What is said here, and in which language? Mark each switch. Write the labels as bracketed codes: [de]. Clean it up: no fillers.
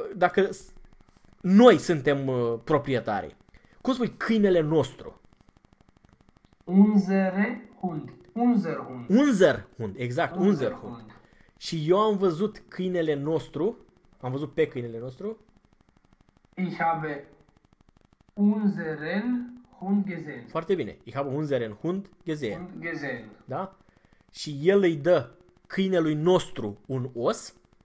[ro] Dacă noi suntem proprietari. Cum spui câinele nostru? [de] Unsere Hund. Unser Hund, exact, Unser Hund. [ro] Și eu am văzut câinele nostru, am văzut pe câinele nostru. [de] Ich habe unseren Hund gesehen. [ro] Foarte bine, [de] ich habe unseren Hund gesehen. Hund gesehen. [ro] Da? Și el îi dă câinelui nostru un os.